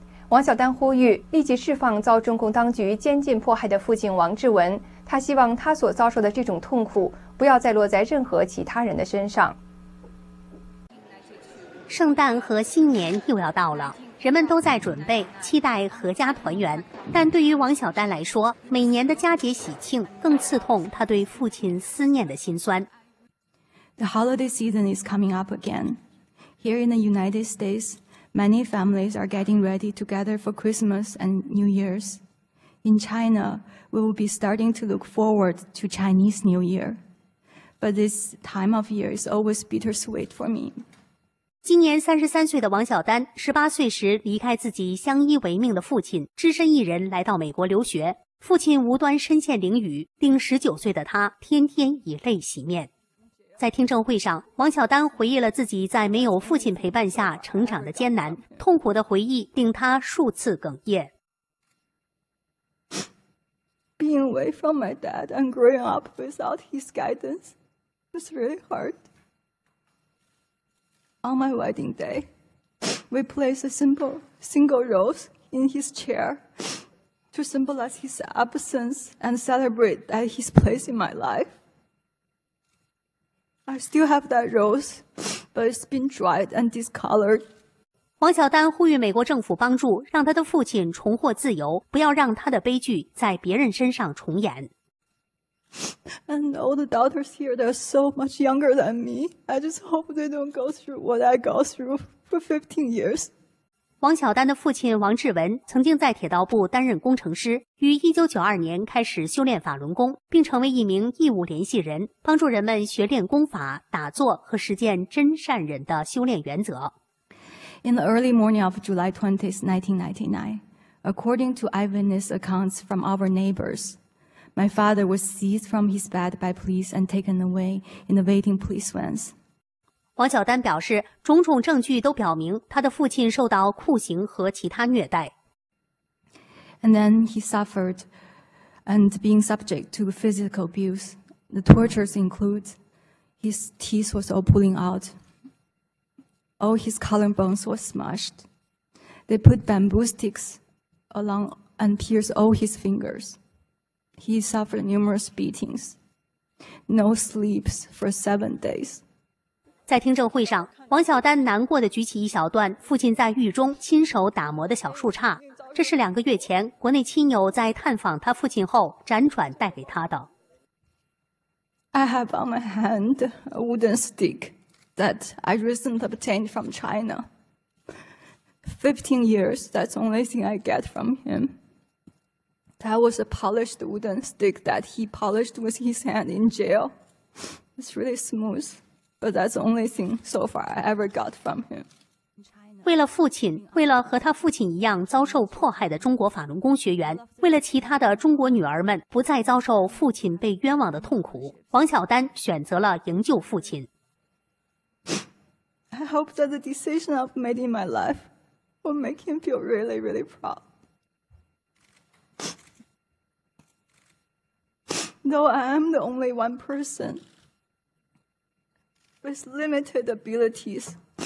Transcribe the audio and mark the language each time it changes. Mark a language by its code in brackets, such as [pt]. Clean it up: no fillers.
[zh] 王小丹呼吁立即释放遭中共当局监禁迫害的父亲王志文，他希望他所遭受的这种痛苦不要再落在任何其他人的身上。圣诞和新年又要到了，人们都在准备期待阖家团圆，但对于王小丹来说，每年的佳节喜庆更刺痛他对父亲思念的心酸。 [en] The holiday season is coming up again. Here in the United States, many families are getting ready to gather for Christmas and New Year's. In China,We will be starting to look forward to Chinese New Year. But this time of year is always bittersweet for me. [zh] 今年33岁的王小丹18岁时离开自己相依为命的父亲，只身一人来到美国留学。父亲无端身陷囹圄，令19岁的他天天以泪洗面。在听证会上，王小丹回忆了自己在没有父亲陪伴下成长的艰难，痛苦的回忆令他数次哽咽。 [en] Being away from my dad and growing up without his guidance was really hard. On my wedding day, we placed a single rose in his chair to symbolize his absence and celebrate that his place in my life. I still have that rose, but it's been dried and discolored. [zh] 王小丹呼吁美国政府帮助，让他的父亲重获自由，不要让他的悲剧在别人身上重演。 [en] And all the daughters here, they're so much younger than me. I just hope they don't go through what I go through for 15 years. [zh] 王小丹的父亲王志文曾经在铁道部担任工程师，于1992年开始修炼法轮功，并成为一名义务联系人，帮助人们学练功法、打坐和实践真善忍的修炼原则。 [en] In the early morning of July 20, 1999, according to eyewitness accounts from our neighbors, my father was seized from his bed by police and taken away in the waiting police vans. [zh] 王小丹表示，种种证据都表明他的父亲受到酷刑和其他虐待。 [en] And then he suffered and being subject to physical abuse. The tortures include his teeth was all pulling out. All his collarbones were smashed. They put bamboo sticks along and pierced all his fingers. He suffered numerous beatings, no sleeps for 7 days. [zh] 在听证会上，王小丹难过地举起一小段父亲在狱中亲手打磨的小树杈，这是两个月前国内亲友在探访他父亲后辗转带给他的。 [en] I have on my hand a wooden stick that I recently obtained from China. 15 years, that's the only thing I get from him. That was a polished wooden stick that he polished with his hand in jail. It's really smooth, but that's the only thing so far I ever got from him. [zh] 为了父亲，为了和他父亲一样遭受迫害的中国法轮功学员，为了其他的中国女儿们不再遭受父亲被冤枉的痛苦，王小丹选择了营救父亲。 [en] I hope that the decision I've made in my life will make him feel really, really proud. Though I am the only one person with limited abilities.